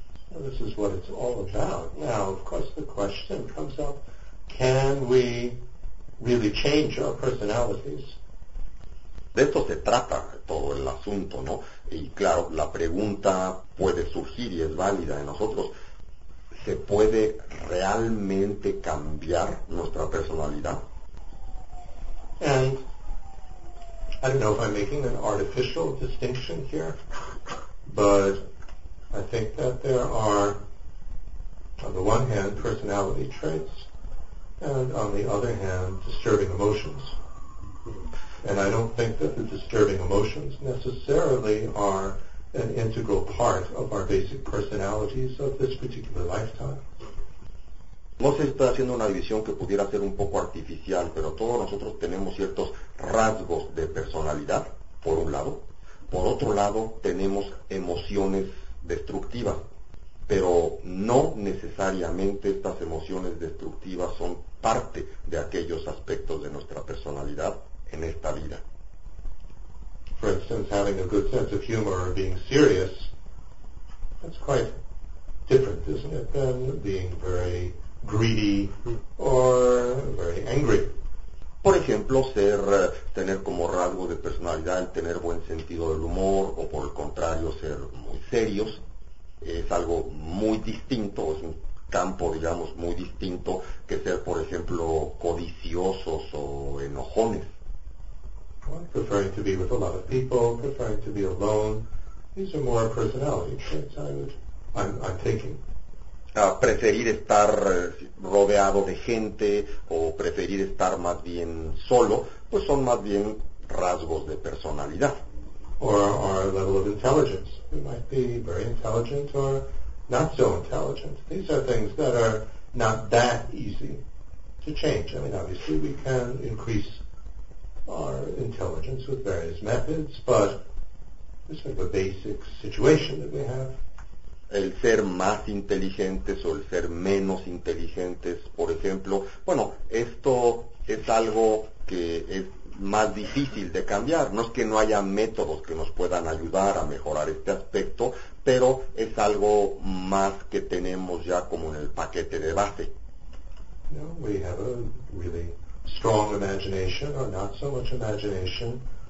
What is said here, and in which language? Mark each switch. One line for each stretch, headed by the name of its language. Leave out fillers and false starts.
English: Well, this is what it's all about. Now, of course, the question comes up, can we really change our personalities?
Spanish: De esto se trata todo el asunto, ¿no? Y claro, la pregunta puede surgir y es válida en nosotros. se puede realmente cambiar nuestra personalidad.
English: And I don't know if I'm making an artificial distinction here, but I think that there are, on the one hand, personality traits, and on the other hand, disturbing emotions. And I don't think that the disturbing emotions necessarily are an integral part of our basic personalities of this particular lifetime.
Spanish: No se está haciendo una división que pudiera ser un poco artificial, pero todos nosotros tenemos ciertos rasgos de personalidad, por un lado. Por otro lado, tenemos emociones destructivas, pero no necesariamente estas emociones destructivas son parte de aquellos aspectos de nuestra personalidad en esta vida.
English: For instance, having a good sense of humor or being serious, that's quite different, isn't it, than being very greedy or very angry.
Spanish: Por ejemplo, tener como rasgo de personalidad el tener buen sentido del humor, o por el contrario, ser muy serios, es algo muy distinto, es un campo, digamos, muy distinto que ser, por ejemplo, codiciosos o enojones.
English: Well, preferring to be with a lot of people, preferring to be alone, these are more personality traits I'm taking.
Spanish: Preferir estar rodeado de gente o preferir estar más bien solo, pues son más bien rasgos de personalidad.
English: Or our level of intelligence. We might be very intelligent or not so intelligent. These are things that are not that easy to change. I mean, obviously we can increase our intelligence with various methods, but this is the basic situation that we have.
Spanish: El ser más inteligentes o el ser menos inteligentes, por ejemplo, bueno, esto es algo que es más difícil de cambiar. No es que no haya métodos que nos puedan ayudar a mejorar este aspecto, pero es algo más que tenemos ya como en el paquete de base.
English: No, we have a really strong imagination or not so much imagination.